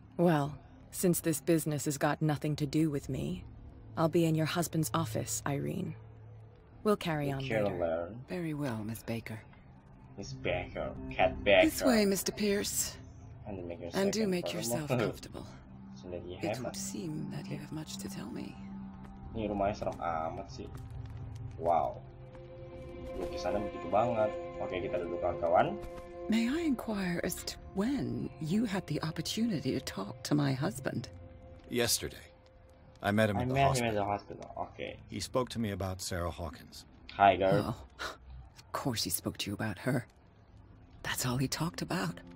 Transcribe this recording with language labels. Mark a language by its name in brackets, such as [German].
[English] Well, since this business has got nothing to do with me, I'll be in your husband's office, Irene. We'll carry on later. Very well, Miss Baker. Miss Baker, Cat Baker. This way, Mr. Pierce. And do make yourself comfortable. It would seem that you have much to tell me. [Indonesian] Ini rumahnya serem amat sih. Wow. Lukisannya begitu banget. Oke, kita duduk kawan-kawan. [English] May I inquire as to when you had the opportunity to talk to my husband? Yesterday. I met him at the hospital. Okay. He spoke to me about Sarah Hawkins. Hi, girl. Oh, of course he spoke to you about her. That's all he talked about.